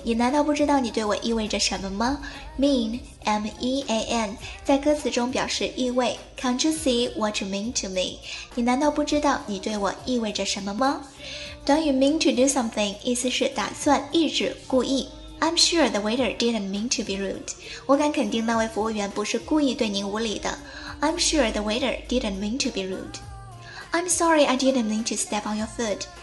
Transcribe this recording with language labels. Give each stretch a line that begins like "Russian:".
Chinese: 你难道不知道你对我意味着什么吗？ Mean, M-E-A-N, 在歌词中表示意味。
English: Can't you see what you mean to me?
Chinese: 你难道不知道你对我意味着什么吗？短语
English: mean to do something,
Chinese: 意思是打算、意志、故意。
English: I'm sure the waiter didn't mean to be rude.
Chinese: 我敢肯定那位服务员不是故意对您无礼的。
English: I'm sure the waiter didn't mean to be rude. I'm sorry I didn't mean to step on your foot.